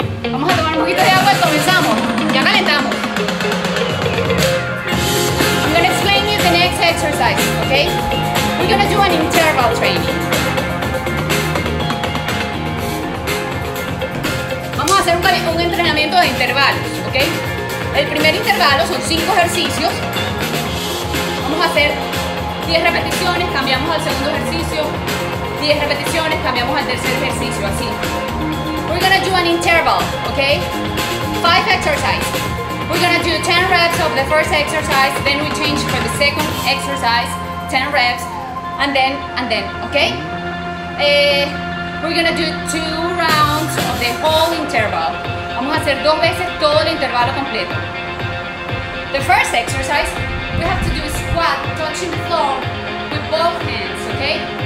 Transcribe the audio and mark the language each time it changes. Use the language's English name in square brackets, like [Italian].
[Spanish] Vamos a tomar un poquito de agua y comenzamos. Ya calentamos. [English] I'm going to explain you the next exercise, okay? We're going to do an interval training. [Spanish] Un entrenamiento de intervalos, ¿ok? El primer intervalo son 5 ejercicios. Vamos a hacer 10 repeticiones, cambiamos al segundo ejercicio, 10 repeticiones, cambiamos al tercer ejercicio, así. [English] We're gonna do an interval, ¿ok? 5 exercises. We're gonna do 10 reps of the first exercise, then we change for the second exercise, 10 reps, and then, ¿ok? We're gonna do 2 rounds of the whole interval. [Spanish] Vamos a hacer 2 veces todo el intervalo completo. [English] The first exercise, we have to do a squat, touching the floor with both hands, okay?